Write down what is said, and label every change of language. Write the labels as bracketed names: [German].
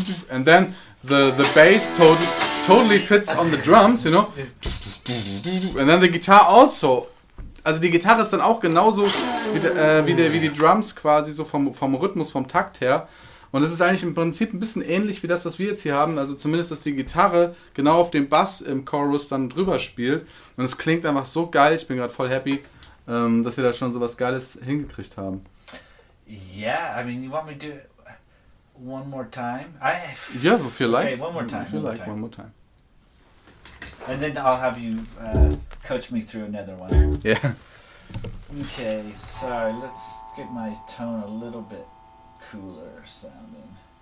[English] And then the bass totally fits on the drums, you know. And then the guitar also. [German] Also die Gitarre ist dann auch genauso wie die Drums quasi, so vom Rhythmus, vom Takt her. Und es ist eigentlich im Prinzip ein bisschen ähnlich wie das, was wir jetzt hier haben. Also zumindest, dass die Gitarre genau auf dem Bass im Chorus dann drüber spielt. Und es klingt einfach so geil. Ich bin gerade voll happy, dass wir da schon sowas Geiles hingekriegt haben. [English] Yeah, I mean, you want me to do it one more time? Yeah, if you like. Okay, one more time. If you like, one more time. And then I'll have you coach me through another one. Yeah. Okay, sorry, let's get my tone a little bit cooler sounding.